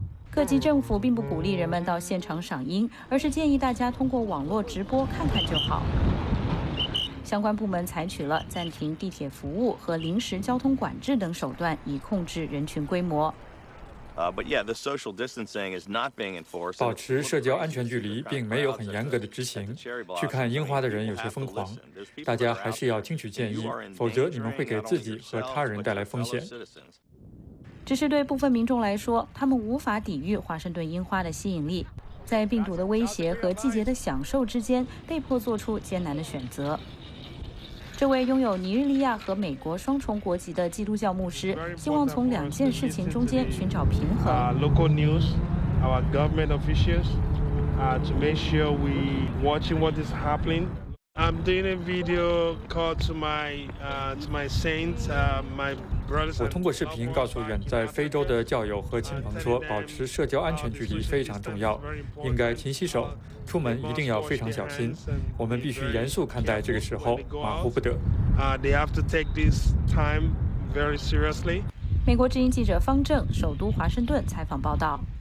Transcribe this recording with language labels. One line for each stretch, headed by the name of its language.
Chinese: 各级政府并不鼓励人们到现场赏樱，而是建议大家通过网络直播看看就好。相关部门采取了暂停地铁服务和临时交通管制等手段，以控制人群规模。
English: But yeah, the social distancing is not being enforced.
Chinese: 保持社交安全距离并没有很严格的执行。去看樱花的人有些疯狂，大家还是要听取建议，否则你们会给自己和他人带来风险。只是对部分民众来说，他们无法抵御华盛顿樱花的吸引力。在病毒的威胁和季节的享受之间被迫做出艰难的选择。这位拥有尼日利亚和美国双重国籍的基督教牧师希望从两件事情中间寻找平衡。
English: Local news, our government officials, to make sure we watching what is happening. I'm doing a video call to my saints, my brothers.
Chinese: 我通过视频告诉远在非洲的教友和亲朋说，保持社交安全距离非常重要，应该勤洗手。出门一定要非常小心，我们必须严肃看待这个时候，马虎不得。
English: They have to take this time very seriously.
Chinese: 美国之音记者方正，首都华盛顿采访报道。